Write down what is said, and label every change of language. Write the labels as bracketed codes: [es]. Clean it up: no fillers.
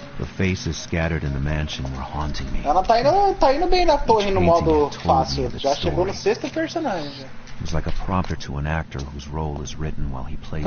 [en] The faces scattered in the mansion were haunting me. [pt] Ela tá indo bem na torre no modo fácil. Já chegou no sexto personagem. [en] It's like a prompter to an actor whose role is written while he plays.